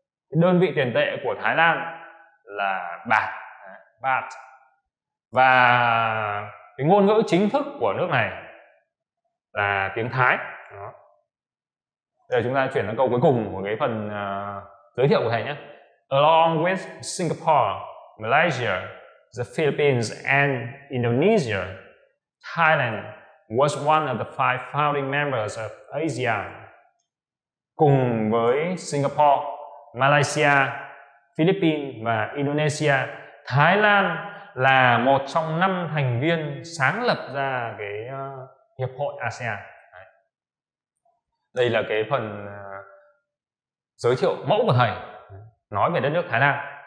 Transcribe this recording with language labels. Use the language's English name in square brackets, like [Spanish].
[Vietnamese] Cái đơn vị tiền tệ của Thái Lan là baht. Baht. Và cái ngôn ngữ chính thức của nước này là tiếng Thái. Đó. Bây giờ chúng ta chuyển sang câu cuối cùng của cái phần giới thiệu của thầy nhé. [English] Along with Singapore, Malaysia, the Philippines and Indonesia, Thailand was one of the five founding members of ASEAN. [Vietnamese] Cùng với Singapore, Malaysia, Philippines và Indonesia, Thái Lan là một trong năm thành viên sáng lập ra cái hiệp hội ASEAN. Đây là cái phần giới thiệu mẫu của thầy nói về đất nước Thái Lan.